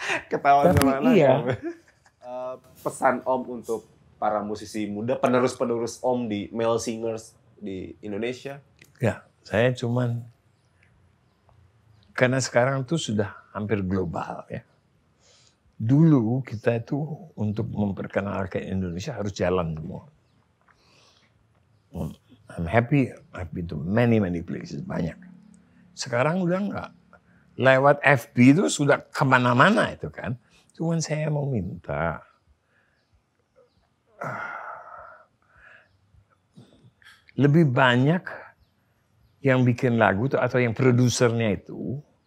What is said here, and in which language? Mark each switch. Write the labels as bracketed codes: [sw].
[id] Ketawa sama anak. Iya. Pesan Om untuk para musisi muda, penerus-penerus Om di male singers di Indonesia. Ya, saya cuman karena sekarang tuh sudah hampir global ya. Dulu kita itu untuk memperkenalkan Indonesia harus jalan semua. [en] I'm happy, I've been to many places, [id] banyak. Sekarang udah enggak. Lewat FB itu sudah kemana-mana itu kan. Cuman saya mau minta. Lebih banyak yang bikin lagu itu atau yang produsernya itu.